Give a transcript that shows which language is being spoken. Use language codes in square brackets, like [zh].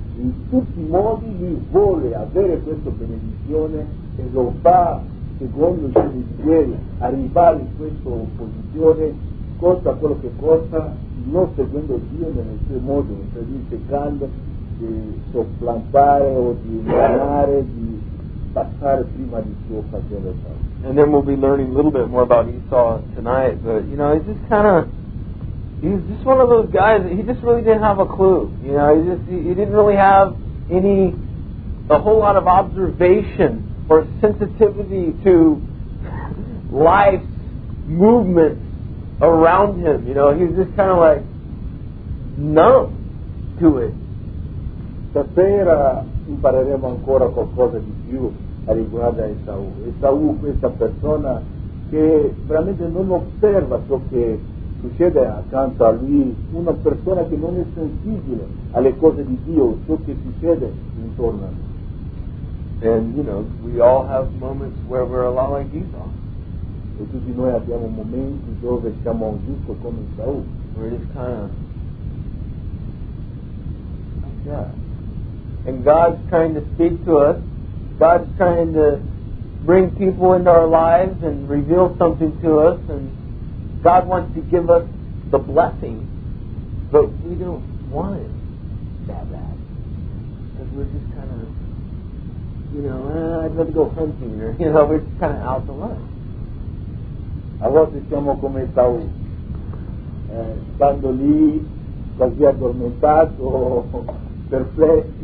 [it] In tutti i modi lui vuole avere questa benedizione e lo fa secondo il suo desiderio, arrivare in questa posizione, costa quello che costa, non seguendo Dio nel suo modo, cioè cercando di sopplantare o di ingannare, di passare prima di suo fratello. [en] And then we'll be learning a little bit more about Esau tonight, but you know, he's just kind of, he's just one of those guys that he just really didn't have a clue. You know, he didn't really have a whole lot of observation or sensitivity to life's movements around him. You know, he's just kind of like numb to it. [it] Stasera impareremo ancora qualcosa di più riguardo a Esau. Esau, questa persona che veramente non osserva ciò che succede accanto a lui, una persona che non è sensibile alle cose di Dio, ciò che succede intorno a lui. [en] And you know, we all have moments where we're a lot like Esau. [it] E tutti noi abbiamo momenti dove siamo giusto come Esau. [en] We're just kind of like that. And God's trying to speak to us. God's trying to bring people into our lives and reveal something to us. And God wants to give us the blessing, but we don't want it that bad. Because we're just kind of, you know, I'd rather go hunting, or, you know, we're just kind of out to lunch. [it] A volte siamo come Esau, stando lì, quasi addormentato, perplessi.